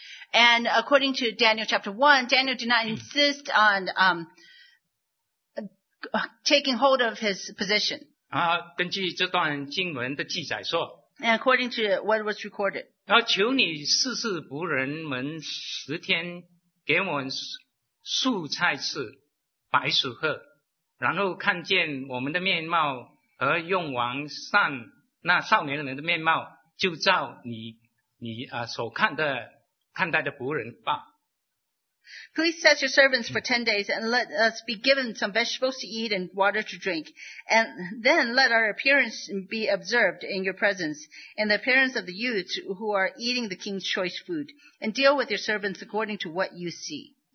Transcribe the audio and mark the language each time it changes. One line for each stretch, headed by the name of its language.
English: And according to Daniel chapter 1, Daniel did not insist on taking hold of his position.
Chinese: 根据这段经文的记载说,
English: and according to what was recorded,
Chinese: 求你试试仆人们十天给我们蔬菜吃白薯喝然后看见我们的面貌和用王善那少年人的面貌就照你所看待的仆人吧。
English: Please set your servants for 10 days and let us be given some vegetables to eat and water to drink. And then let our appearance be observed in your presence and the appearance of the youths who are eating the king's choice food. And deal with your servants according to what you see.